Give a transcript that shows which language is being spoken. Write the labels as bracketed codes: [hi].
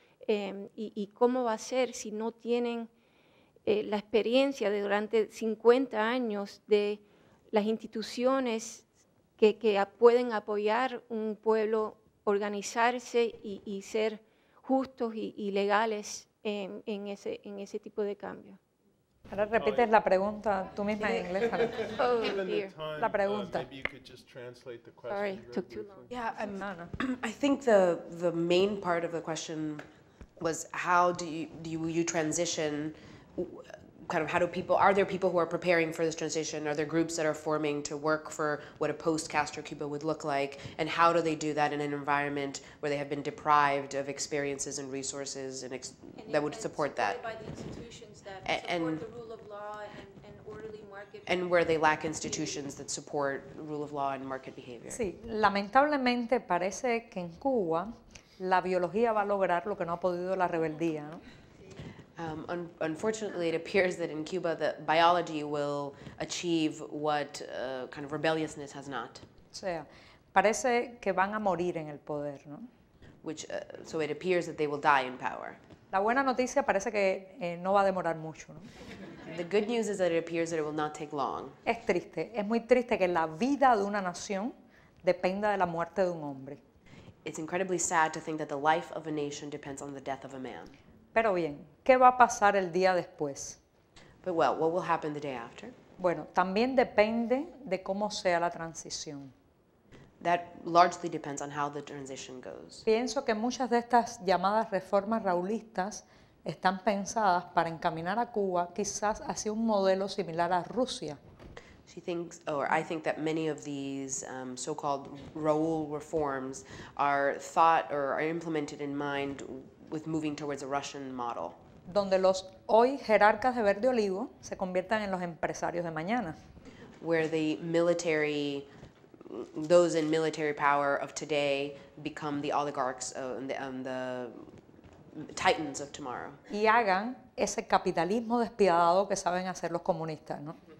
[es] ¿Y cómo va a ser si no tienen la experiencia de durante 50 años de las instituciones que pueden apoyar un pueblo, organizarse y ser justos y legales en ese tipo de cambio? Ahora repites la pregunta tú misma en inglés. Oh, la pregunta. [en] Maybe you could just translate the question. Sorry, took too long. Yeah, I think the main part of the question was how do you transition, kind of how do people, are there people who are preparing for this transition? Are there groups that are forming to work for what a post-Castro Cuba would look like? And how do they do that in an environment where they have been deprived of experiences and resources and that would support that? By the institutions that support the rule of law and orderly market. And where they lack institutions that support rule of law and market behavior. [es] Sí, lamentablemente parece que en Cuba la biología va a lograr lo que no ha podido la rebeldía, ¿no? [en] Unfortunately, it appears that in Cuba, the biology will achieve what kind of rebelliousness has not. [es] O sea, parece que van a morir en el poder, ¿no? [en] So it appears that they will die in power. [es] La buena noticia parece que no va a demorar mucho, ¿no? [en] The good news is that it appears that it will not take long. [es] Es triste. Es muy triste que la vida de una nación dependa de la muerte de un hombre. [en] It's incredibly sad to think that the life of a nation depends on the death of a man. [es] Pero bien, ¿qué va a pasar el día después? [en] But well, what will happen the day after? [es] Bueno, también depende de cómo sea la transición. [en] That largely depends on how the transition goes. [es] Pienso que muchas de estas llamadas reformas raulistas están pensadas para encaminar a Cuba quizás hacia un modelo similar a Rusia. [en] She thinks, or I think that many of these so-called Raúl reforms are thought or are implemented in mind with moving towards a Russian model. [es] Donde los hoy jerarcas de Verde Olivo se conviertan en los empresarios de mañana. [en] Where the military, those in military power of today become the oligarchs and the titans of tomorrow. [es] Y hagan ese capitalismo despiadado que saben hacer los comunistas, ¿no?